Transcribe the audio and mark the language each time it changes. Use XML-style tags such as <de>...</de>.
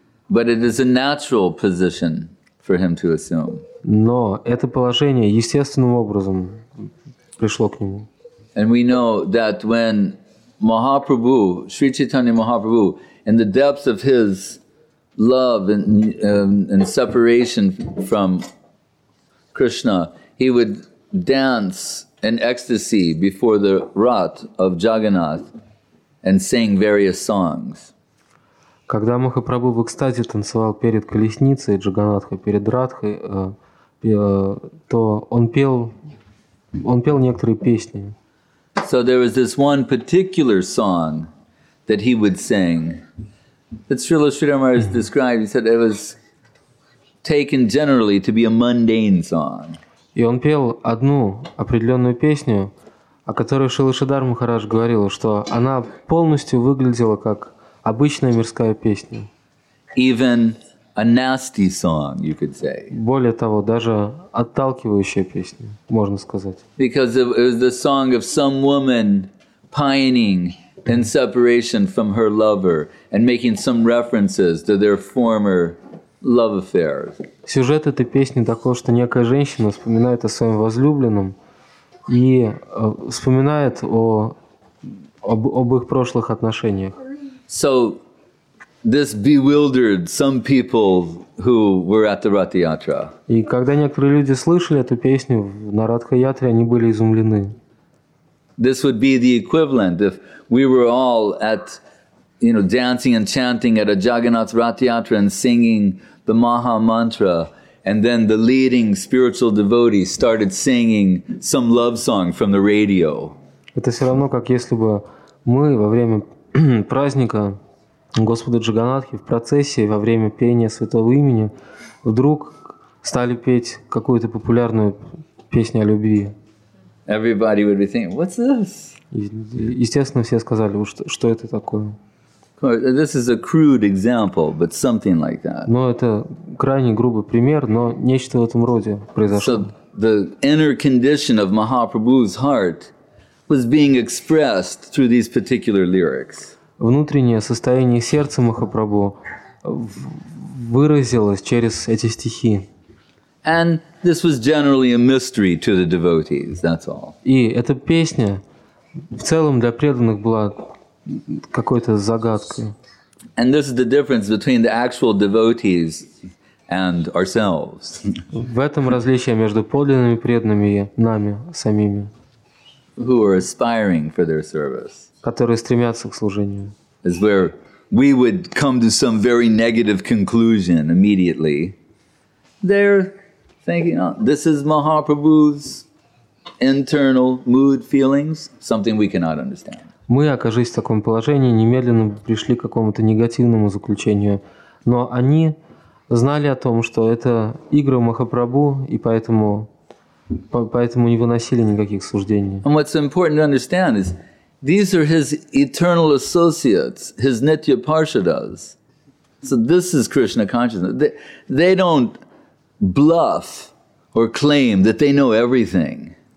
<en>But it is a natural position for him to assume.</en> <ru>Но это положение естественным образом пришло к нему.</ru> <en>And we know that when Mahaprabhu, Sri Chaitanya Mahaprabhu, in the depths of his love and separation from Krishna, he would dance in ecstasy before the rat of Jagannath and sang various songs.</en> <ru>Когда Махапрабху в экстазе танцевал перед колесницей Джаганнатхой, перед Радхой, то он пел некоторые песни.</ru> <en>So there was this one particular song that he would sing. That Srila Sridhar has described, he said it was taken generally to be a mundane song.</en> <ru>И он пел одну определенную песню, о которой Шрила Шридхар Махарадж говорил, что она полностью выглядела как обычная мирская песня.</ru> <en>Even a nasty song, you could say.</en> <ru>Более того, даже отталкивающая песня, можно сказать.</ru> <en>Because it was the song of some woman pining in separation from her lover and making some references to their former love affairs.</en> <ru>Сюжет этой песни такой, что некая женщина вспоминает о своем возлюбленном и вспоминает об их прошлых отношениях.</ru> <en>So this bewildered some people who were at the Ratha Yatra.</en> <ru>И когда некоторые люди слышали эту песню на Ратха Ятре, они были изумлены.</ru> <en>This would be the equivalent if we were all at, you know, dancing and chanting at a Jagannath Ratha Yatra and singing the Maha Mantra, and then the leading spiritual devotee started singing some love song from the radio.</en> <ru>Это все равно, как если бы мы во время праздника Господа Джаганнатхи в процессе, во время пения святого имени, вдруг стали петь какую-то популярную песню о любви.</ru> <en>Everybody would be thinking, what's this?</en> <ru>Естественно, все сказали, что это такое.</ru> <en>This is a crude example, but something like that.</en> <ru>Но это крайне грубый пример, но нечто в этом роде произошло.</ru> <en>So the inner condition of Mahaprabhu's heart was being expressed through these particular lyrics.</en> <ru>Внутреннее состояние сердца Махапрабху выразилось через эти стихи.</ru> <en>And this was generally a mystery to the devotees. That's all.</en> <ru>И эта песня в целом для преданных была какой-то загадкой.</ru> <en>And this is the difference between the actual devotees and ourselves.</en> <ru>В этом различие между подлинными преданными и нами самими.</ru> <en>Who are aspiring for their service.</en> <ru>Которые стремятся к служению.</ru> <en>Is where we would come to some very negative conclusion immediately. They're thinking, oh, this is Mahaprabhu's internal mood feelings, something we cannot understand.</en> <ru>мы, окажись в таком положении, немедленно пришли к какому-то негативному заключению. Но они знали о том, что это игры Махапрабху, и поэтому не выносили никаких суждений.</ru> <en>And what's important to understand is, these are his eternal associates, his Nitya Parshadas. So this is Krishna consciousness. They don't bluff or claim that they know everything.</en>